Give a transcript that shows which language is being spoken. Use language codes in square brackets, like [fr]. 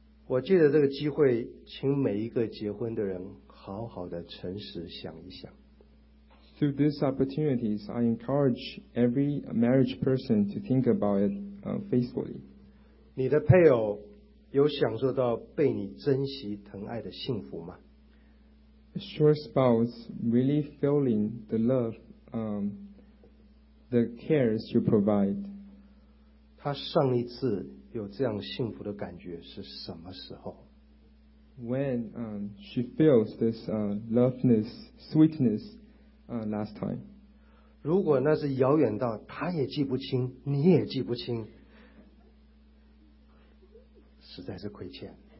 [zh] 我借着这个机会，请每一个结婚的人好好的诚实想一想。 [en] Through these opportunities, I encourage every marriage person to think about it faithfully. [zh] 你的配偶有享受到被你珍惜疼爱的幸福吗？ [en] Is your spouse really feeling the love, the cares you provide? [zh] 他上一次有这样幸福的感觉是什么时候？ [en] When she feels this loveness, sweetness, last time. [zh] 如果那是遥远到他也记不清，你也记不清，实在是亏欠。